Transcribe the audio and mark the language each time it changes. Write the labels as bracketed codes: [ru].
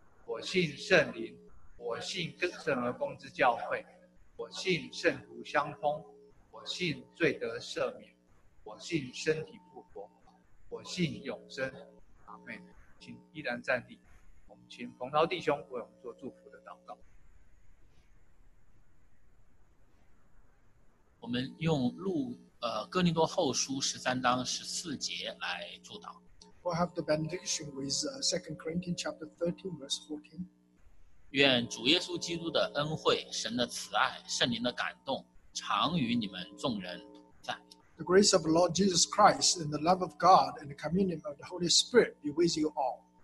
[zh] 我信圣灵，我信神而公之教会，我信圣徒相通，我信罪得赦免，我信身体复活，我信永生。阿们。请依然站立，我们请冯涛弟兄为我们做祝福的祷告。我们用哥林多后书十三章十四节来祝祷。 [en] We have the benediction with Second Corinthians chapter 13, verse 14. [zh] 愿主耶稣基督的恩惠、神的慈爱、圣灵的感动，常与你们众人同在。 [en] The grace of the Lord Jesus Christ and the love of God and the communion of the Holy Spirit be with you all.